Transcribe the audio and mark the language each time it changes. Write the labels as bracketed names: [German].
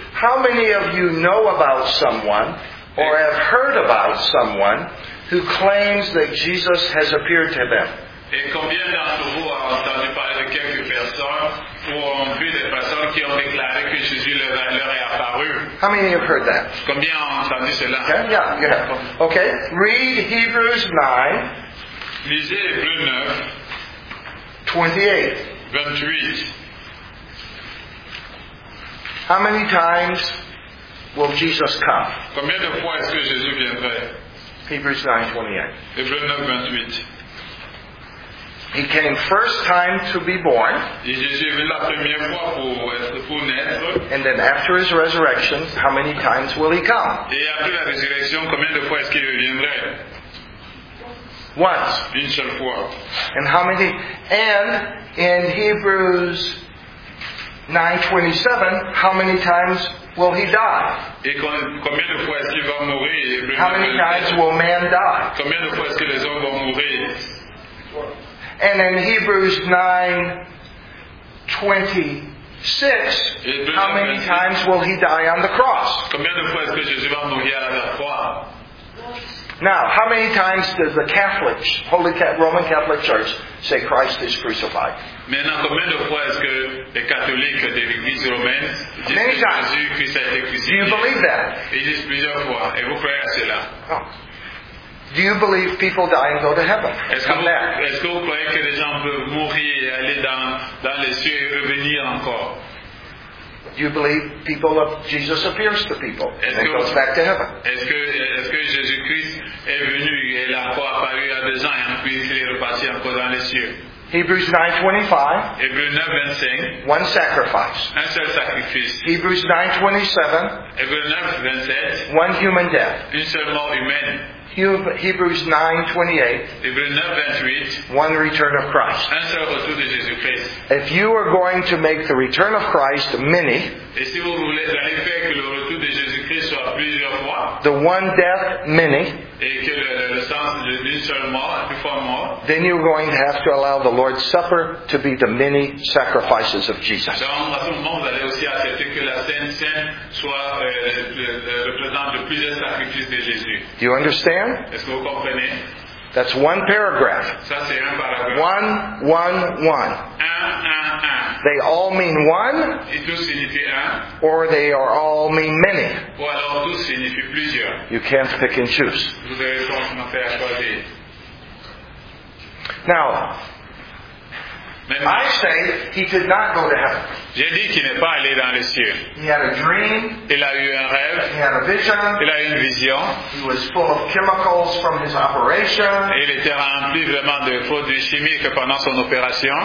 [English] How many of you know about someone or have heard about someone who claims that Jesus has appeared to them? [French] Et combien d'entre vous ont entendu parler de quelques personnes ou ont vu des personnes qui ont déclaré que Jésus leur est apparu? [English] How many have heard that? [French] Combien ont entendu cela? [English] Yeah. Okay. Read Hebrews 9. [French] Lisez Hébreux 9. [English] 28. [French] 28. [English] How many times will Jesus come? [French] Combien de fois est-ce que Jésus viendrait? [English] Hebrews 9:28. [French] Hébreux 9, 28. [English] He came first time to be born. [French] Et Jésus est venu la première fois pour naître. [English] And then after his resurrection, how many times will he come? [French] Et après la résurrection, combien de fois est-ce qu'il reviendrait? [English] Once. [French] Une seule fois. [English] And how many? And in Hebrews 9:27, how many times will he die? [French] Et combien de fois est-ce qu'il va mourir? [English] How many times will man die? [French] Combien de fois est-ce que les hommes vont mourir? [English] And in Hebrews 9:26, how many times will he die on the cross? [French] Combien de fois est-ce que Jésus va mourir à la croix? [English] Now, how many times does the Catholics, Holy Roman Catholic Church, say Christ is crucified? [French] Maintenant, combien de fois est-ce que les catholiques de l'Église romaine disent que Jésus-Christ a été crucifié? [English] Do you believe that? [French] Ils disent plusieurs fois. Et vous croyez à cela? Oh. [English] Do you believe people die and go to heaven? [French] Est-ce que vous croyez que les gens peuvent mourir et aller dans les cieux et revenir encore? [English] Do you believe people of Jesus appears to people and goes back to heaven? [French] Est-ce que Jésus-Christ est venu et la croix apparue à des gens et puis il est reparti encore dans les cieux? [English] Hebrews 9:25. One sacrifice. [French] Un seul sacrifice. [English] Hebrews 9:27. One human death. [French] Une seule mort humaine. [English] Hebrews 9:28. One return of Christ. [French] Un seul retour de Jésus-Christ. [English] If you are going to make the return of Christ many, [French] et si vous voulez aller faire que le retour de Jésus-Christ soit plusieurs fois, [English] the one death many, [French] et que le sens d'une seule mort, une fois mort, [English] then you're going to have to allow the Lord's Supper to be the many sacrifices of Jesus. [French] Donc, à ce moment, vous allez aussi accepter que la Sainte-Cène soit représente de plusieurs sacrifices de Jésus. [English] Do you understand? [French] Est-ce que vous comprenez? [English] That's one paragraph. [French] Ça, c'est un paragraphe. [English] One, one, one. [French] Un. [English] They all mean one. [French] Et tout signifie un. [English] Or they are all mean many. [French] Ou alors tout signifie plusieurs. [English] You can't pick and choose. [French] Vous avez franchement fait à choisir. [English] Now, I say he did not go to heaven. [French] J'ai dit qu'il n'est pas allé dans les cieux. [English] He had a dream. [French] Il a eu un rêve. [English] He had a vision. [French] Il a eu une vision. [English] He was full of chemicals from his operation. [French] Il était rempli vraiment de produits chimiques pendant son opération.